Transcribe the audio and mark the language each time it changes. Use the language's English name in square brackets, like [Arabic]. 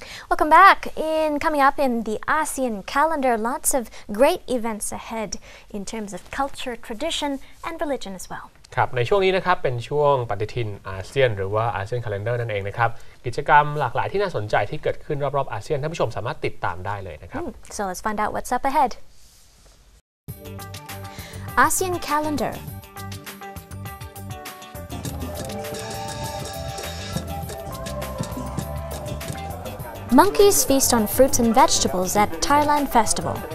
[English] Welcome back. Coming up in the ASEAN calendar, lots of great events ahead in terms of culture, tradition, and religion as well. [Thai] ครับในช่วงนี้นะครับเป็นช่วงปฏิทินอาเซียนหรือว่าอาเซียนคาล endar นั่นเองนะครับกิจกรรมหลากหลายที่น่าสนใจที่เกิดขึ้นรอบๆอาเซียนท่านผู้ชมสามารถติดตามได้เลยนะครับ [English] So let's find out what's up ahead. ASEAN calendar. Monkeys feast on fruits and vegetables at Thailand Festival.